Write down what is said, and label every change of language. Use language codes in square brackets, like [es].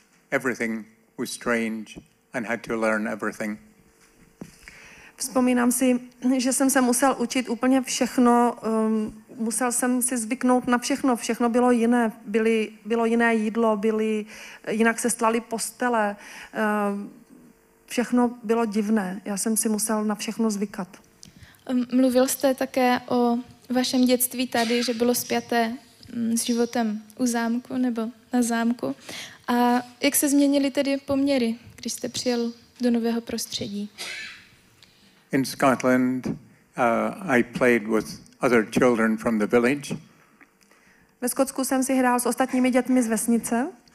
[en] Everything was strange and had to learn everything. [cs] Vzpomínám si, že jsem se musel učit úplně všechno, musel jsem si zvyknout na všechno. Všechno bylo jiné, bylo jiné jídlo, jinak se stlaly postele. Všechno bylo divné, já jsem si musel na všechno zvykat. Mluvil jste také o vašem dětství tady, že bylo spjaté s životem u zámku nebo na zámku. A jak se změnily tedy poměry, když jste přijel do nového prostředí? [en] In Scotland, I played with other children from the village. [cs] Ve Skotsku jsem si hrál s ostatními dětmi z vesnice.